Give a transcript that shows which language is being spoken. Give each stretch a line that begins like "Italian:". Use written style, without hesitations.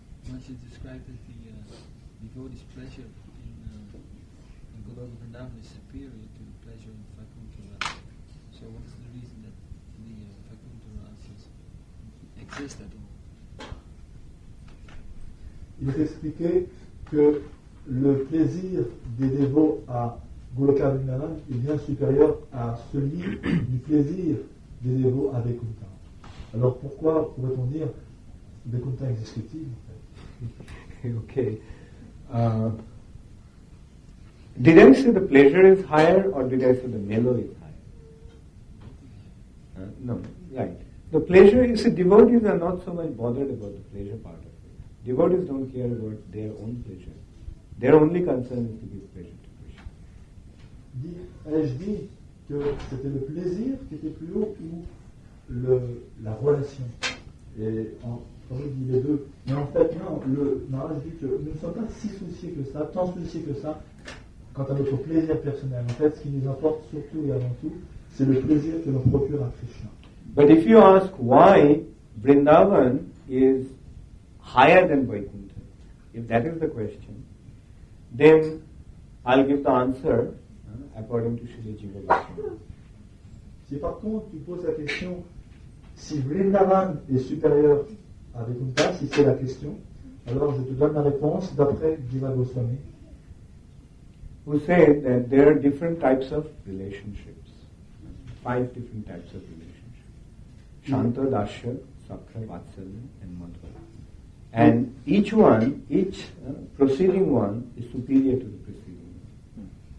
English: Once you describe it. Devotee's pleasure in Goloka Vrindavan is superior to the pleasure in Vaikuntha Rasa. So what is the reason that the Vaikuntha Rasas exist at all?
French: Il est expliqué que le plaisir des dévots à Goloka Vrindavan est bien supérieur à celui du plaisir des dévots à Vaikuntha. Alors pourquoi pourrait-on dire Vaikuntha existe-t-il en fait?
English: Okay. Did I say the pleasure is higher or did I say the mellow is higher? No, right. The pleasure, you see, devotees are not so much bothered about the pleasure part of it. Devotees don't care about their own pleasure. Their only concern is to give pleasure to Krishna.
French: Ai-je dit que c'était le plaisir qui était plus haut ou la relation? Et en fait, les deux. Mais en fait, non, le Maharaj dit que nous ne sommes pas si souciés que ça, tant souciés que ça, quant à notre plaisir personnel. En fait, ce qui nous importe surtout et avant tout, c'est le plaisir que l'on procure à Krishna.
English: But if you ask why Vrindavan is higher than Vaikuntha, if that is the question, then I'll give the answer according to Śrīla Jīva Gosvāmī.
French: Si par contre tu poses la question si Vrindavan est supérieur à Vaikuntha, si c'est la question, alors je te donne la réponse d'après Jīva Gosvāmī,
English: who said that there are different types of relationships, five different types of relationships: Shanta, Dasya, Sakya, Vatsalya, and Madhva. And each one, each preceding one, is superior to the preceding one.